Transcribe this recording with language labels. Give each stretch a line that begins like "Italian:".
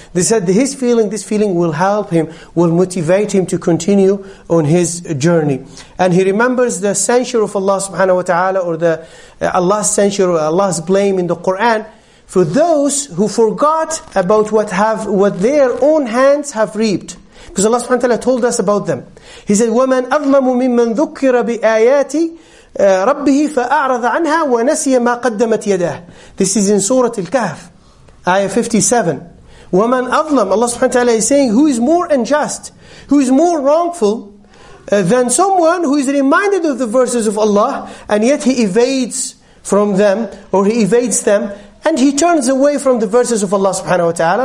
English: They said this feeling will help him, will motivate him to continue on his journey. And he remembers the censure of Allah subhanahu wa ta'ala, or the Allah's censure, or Allah's blame in the Quran, for those who forgot about what their own hands have reaped. Because Allah subhanahu wa ta'ala told us about them. He said,
Arabic: وَمَنْ أَظْلَمُ مِمَّنْ ذُكِّرَ بِآيَاتِ رَبِّهِ فَأَعْرَضَ عَنْهَا وَنَسِيَ مَا قَدَّمَتْ يَدَاهُ.
English: This is in Surah Al-Kahf, Ayah 57.
Arabic: وَمَنْ أَظْلَمُ,
English: Allah subhanahu wa ta'ala is saying, who is more unjust, who is more wrongful than someone who is reminded of the verses of Allah, and yet he evades from them, or he evades them, and he turns away from the verses of Allah subhanahu wa ta'ala.